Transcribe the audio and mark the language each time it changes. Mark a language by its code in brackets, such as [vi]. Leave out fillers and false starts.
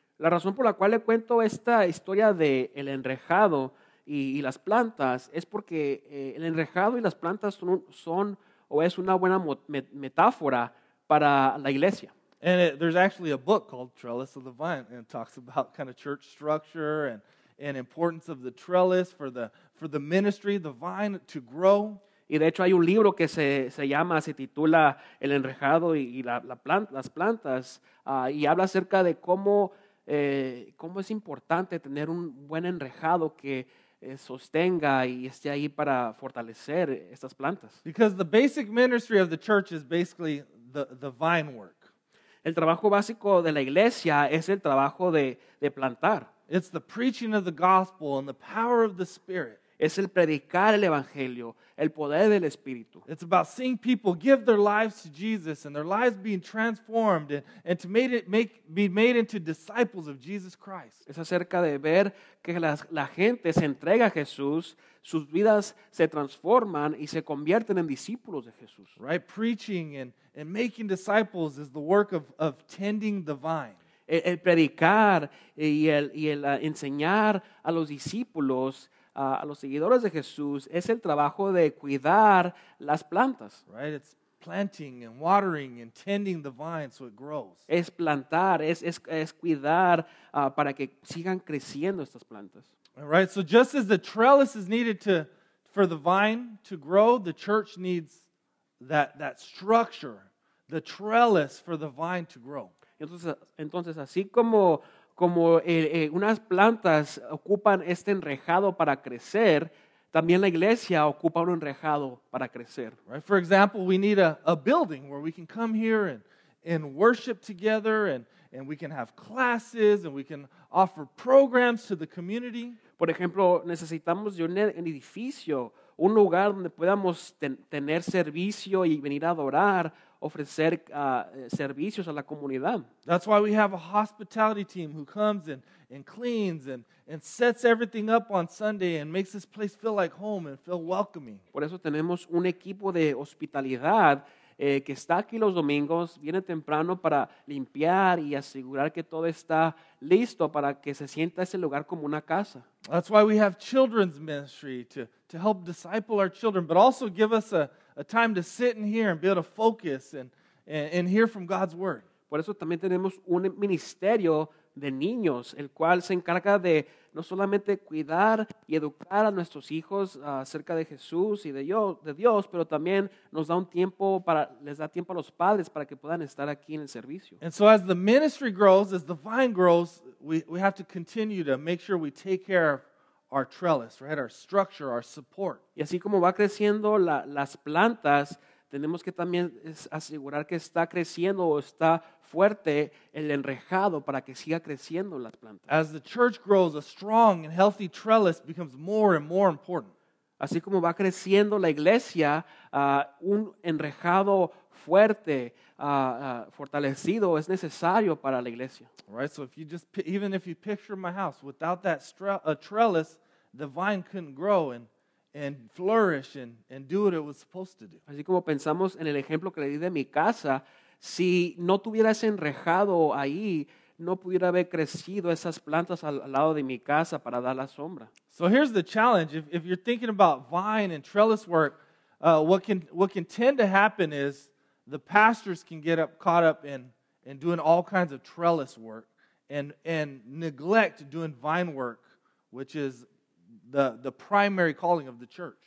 [es] La razón por la cual le cuento esta historia de el enrejado y las plantas es porque el enrejado y las plantas son o es una buena metáfora para la iglesia. [en] And there's actually a book called Trellis of the Vine, and it talks about kind of church structure and importance of the trellis for the ministry, the vine to grow. [es] Y de hecho hay un libro que se llama, se titula El enrejado y las plantas, y habla acerca de cómo es importante tener un buen enrejado que sostenga y esté ahí para fortalecer estas plantas. [en] Because the basic ministry of the church is basically the vine work. [es] El trabajo básico de la iglesia es el trabajo de plantar. [en] It's the preaching of the gospel and the power of the Spirit. [es] Es el predicar el evangelio, el poder del Espíritu. [en] It's about seeing people give their lives to Jesus and their lives being transformed and to be made into disciples of Jesus Christ. [es] Es acerca de ver que la gente se entrega a Jesús, sus vidas se transforman y se convierten en discípulos de Jesús. [en] Right, preaching and making disciples is the work of tending the vine. [es] El predicar y el enseñar a los discípulos, a los seguidores de Jesús, es el trabajo de cuidar las plantas. [en] Right, it's planting and watering and tending the vine so it grows. [es] Es plantar, es cuidar para que sigan creciendo estas plantas. [en] All right, so just as the trellis is needed for the vine to grow, the church needs that structure, the trellis for the vine to grow. [es] Entonces así como unas plantas ocupan este enrejado para crecer, también la iglesia ocupa un enrejado para crecer. [en] Right, for example, we need a building where we can come here and worship together and we can have classes and we can offer programs to the community. [es] Por ejemplo, necesitamos de un edificio, un lugar donde podamos tener servicio y venir a adorar, ofrecer servicios a la comunidad. [en] That's why we have a hospitality team who comes and cleans and sets everything up on Sunday and makes this place feel like home and feel welcoming. [es] Por eso tenemos un equipo de hospitalidad que está aquí los domingos, viene temprano para limpiar y asegurar que todo está listo para que se sienta ese lugar como una casa. [en] That's why we have children's ministry to help disciple our children, but also give us a time to sit in here and be able to focus and hear from God's word. [es] Por eso también tenemos un ministerio de niños, el cual se encarga de no solamente cuidar y educar a nuestros hijos acerca de Jesús y de Dios, pero también nos da un tiempo para les da tiempo a los padres para que puedan estar aquí en el servicio. [en] And so as the ministry grows, as the vine grows, we have to continue to make sure we take care of our trellis, right? Our structure, our support. [es] Y así como va creciendo las plantas, tenemos que también asegurar que está creciendo o está fuerte el enrejado para que siga creciendo las plantas. [en] As the church grows, a strong and healthy trellis becomes more and more important. [es] Así como va creciendo la iglesia, un enrejado fuerte, fortalecido, es necesario para la iglesia. [en] All right, so if you picture my house, without that trellis, the vine couldn't grow and flourish and do what it was supposed to do. [es] Así como pensamos en el ejemplo que le di de mi casa, si no tuviera ese enrejado ahí, no pudiera haber crecido esas plantas al lado de mi casa para dar la sombra. [en] So here's the challenge. If you're thinking about vine and trellis work, what can tend to happen is the pastors can get caught up in doing all kinds of trellis work and neglect doing vine work, which is the primary calling of the church.